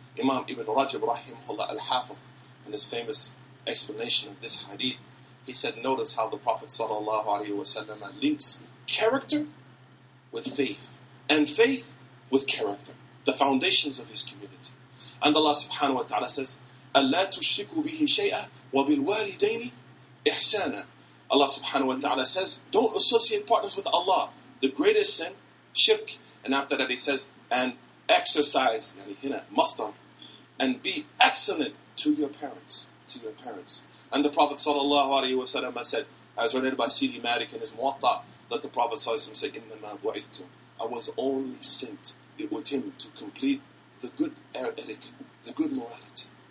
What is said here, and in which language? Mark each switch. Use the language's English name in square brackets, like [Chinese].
[English] Imam Ibn Rajab rahimahullah al-Hafiz, in his famous explanation of this hadith, he said, notice how the Prophet sallallahu alayhi wa sallam links character with faith, and faith with character, the foundations of his community. And Allah subhanahu wa ta'ala says, [Arabic] أن لا تشركوا به شيئا وبالوالدين إحسانا. [English] Allah subhanahu wa ta'ala says, don't associate partners with Allah. The greatest sin, shirk. And after that he says, and exercise, yani hina, mustar, and be excellent to your parents. To your parents. And the Prophet sallallahu alayhi wa sallam said, as related by Sidi Malik in his Muwatta, that the Prophet sallallahu alayhi wa sallam said, [Arabic] innama bu'ithtu, [English] I was only sent, it was him, to complete the good etiquette, the good morality.